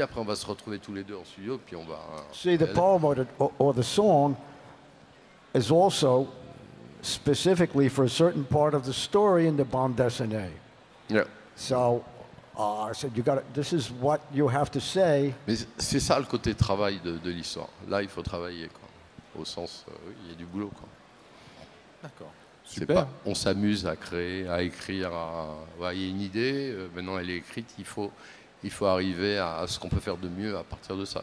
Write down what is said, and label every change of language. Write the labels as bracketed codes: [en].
[fr] Après, on va se retrouver tous les deux en studio, puis on va... [en] See, the poem or the song is also specifically for a certain part of the story in the bande dessinée. Yeah. So... I said, you got it. This is what you have to say. [fr] Mais c'est ça le côté travail de l'histoire. Là, il faut travailler, quoi. Au sens, il y a du boulot, quoi. D'accord. Super. C'est pas, on s'amuse à créer, à écrire. Il y a une idée, maintenant elle est écrite. Il faut arriver à ce qu'on peut faire de mieux à partir de ça.